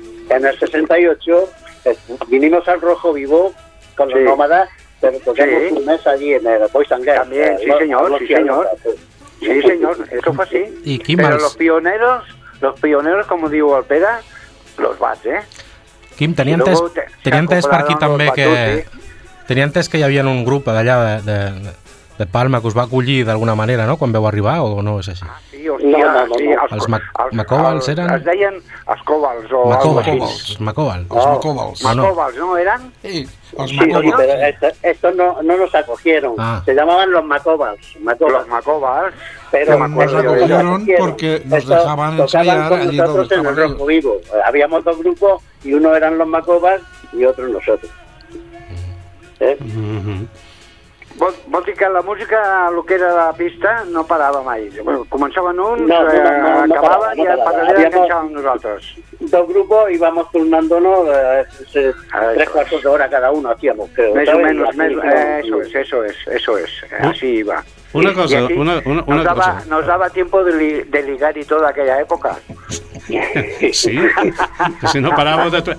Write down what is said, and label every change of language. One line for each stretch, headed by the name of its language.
Spanish: En el 68 vinimos al Rojo Vivo con los Nómadas, pero tocamos un mes allí en el Poison Gate. También, sí señor. Sí, señor, eso fue así. ¿Y quién más? Pero los pioneros, como digo, al Pera, los Bats, ¿eh?
Catalan: Quim, tenia entès per aquí també que... Tenia entès que hi havia un grup d'allà de Palma que us va acollir d'alguna manera, no?, quan veu arribar, o no és així? Ah, sí, hòstia, Els Macovals eren... Es deien els Covals. O Macovals. Macovals, no eren? Sí,
Spanish: pero estos no los acogieron. Ah. Se llamaban los Macovals. Los Macovals. Pero nos acogieron porque nos dejaban ensayar allí donde estaban en el Rojo Vivo. Habíamos dos grupos y uno eran los Macovals y otro nosotros.
Catalan: Vol dir que la música, el que era la pista, no parava mai. Començaven uns, acabaven i al darrere enganxàvem nosaltres.
Spanish: Dos grupos íbamos turnándonos
Catalan: tres quartos d'hora
Spanish: cada uno, hacíamos.
Catalan: Més o menys,
Spanish: eso es. Así iba. Una cosa, una cosa. Nos daba tiempo de ligar y todo aquella época.
Catalan: Sí, si no paràveu de tocar.